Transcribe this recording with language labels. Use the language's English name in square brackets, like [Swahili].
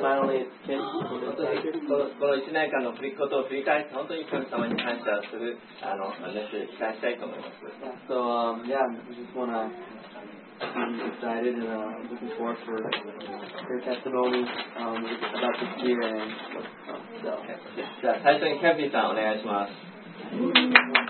[Japanese] この1年間のことを振り返って、本当にキム様に感謝するメッセージを聞かせたいと思います。 [English] So, yeah, we just wanna be excited and looking forward for your testimony about this year and stuff. [Japanese] じゃあ最初にキャフィさんお願いします。